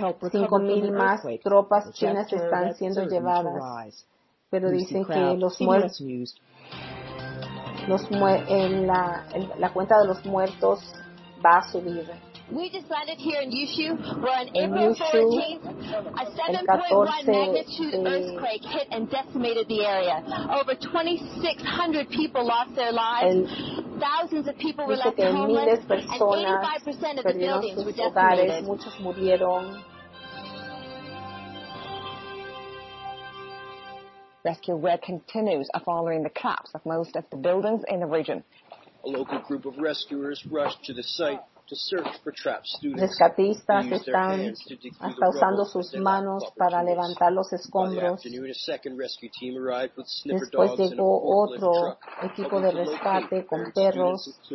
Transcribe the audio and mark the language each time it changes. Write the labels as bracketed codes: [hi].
[es] 5,000 más tropas chinas están siendo llevadas. Pero dicen que los muertos la cuenta de los muertos va a subir. [en] We just landed here in Yushu. We're on April 14th. A 7.1 magnitude earthquake hit and decimated the area. Over 2,600 people lost their lives. Thousands of people were left homeless. And 85% of the buildings were decimated. [es] Muchos murieron. [en] Rescue work continues following the collapse of most of the buildings in the region. A local group of rescuers rushed to the site to search for trapped students. [es] Rescatistas están hasta usando sus manos para levantar los escombros. [en] A second rescue team arrived with sniffer dogs and a forklift truck. [es] Después llegó otro equipo de rescate con perros.